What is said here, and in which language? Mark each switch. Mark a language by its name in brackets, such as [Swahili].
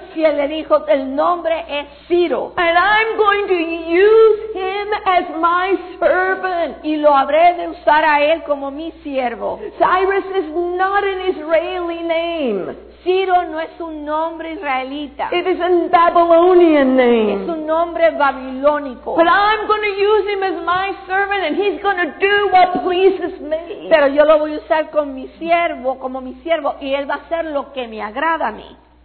[Spanish] Y él le dijo, el nombre es Ciro. [English] And I'm going to use him as my servant. [Spanish] Y lo habré de usar a él como mi siervo. [English] Cyrus is not an Israeli name. [Spanish] Ciro no es un nombre israelita. [English] It is a Babylonian name. [Spanish] Es un nombre babilónico. [English] But I'm going to use him as my servant and he's going to do what pleases me. [Spanish] Pero yo lo voy a usar con mi siervo, como mi siervo, y él va a hacer lo que me agrada a mí.